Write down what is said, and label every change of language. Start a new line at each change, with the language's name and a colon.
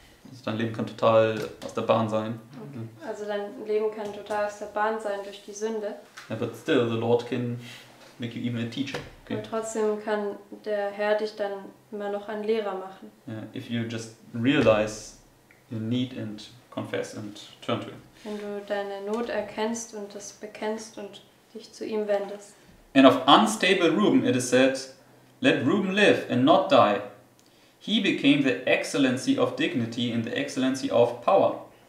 German: Also dein Leben kann total aus der Bahn sein. Okay. Also dein Leben kann total aus der Bahn sein durch die Sünde.
English: Yeah, but still, the Lord can make you even a teacher. Okay.
German: Und trotzdem kann der Herr dich dann immer noch ein Lehrer machen.
English: Yeah, if you just realize your need and confess and turn to him.
German: Wenn du deine Not erkennst und das bekennst und dich zu ihm wendest.
English: And of unstable Reuben it is said, let Reuben live and not die. He became the excellency of dignity and the excellency of power.